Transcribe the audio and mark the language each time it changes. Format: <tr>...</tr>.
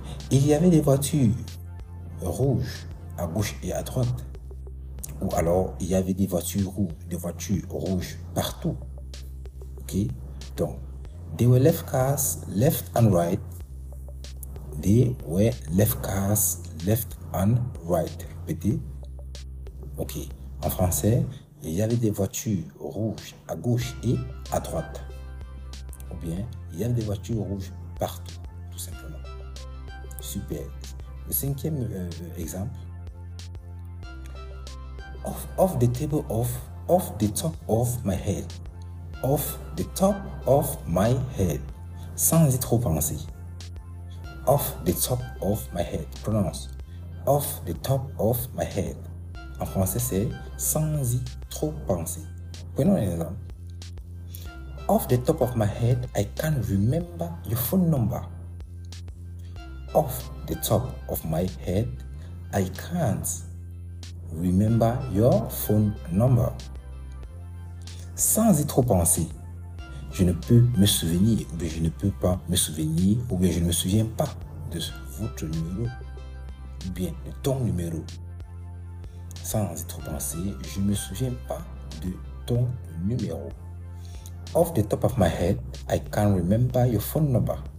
<fr>Il y avait des voitures rouges à gauche et à droite. Ou alors, il y avait des voitures rouges partout. Ok?</fr> <en>Donc, there were left cars left and right. There were left cars left and right.</en> <fr>Répétez.</fr> <en>Ok.</en> <fr>En français, il y avait des voitures rouges à gauche et à droite. Ou bien, il y avait des voitures rouges partout, tout simplement. Super. Le cinquième exemple.</fr> <en>Off the top of my head. Off the top of my head.</en> <fr>Sans y trop penser.</fr> <en>Off the top of my head.</en> <fr>Prononce.</fr> <en>Off the top of my head.</en> <fr>En français, c'est sans y trop penser. Prenons un exemple.</fr> <en>Off the top of my head, I can't remember your phone number. Off the top of my head, I can't remember your phone number.</en> <fr>Sans y trop penser, je ne peux me souvenir, ou bien je ne peux pas me souvenir, ou bien je ne me souviens pas de votre numéro, ou bien de ton numéro. Sans y trop penser, je ne me souviens pas de ton numéro.</fr> <en>Off the top of my head, I can't remember your phone number.</en>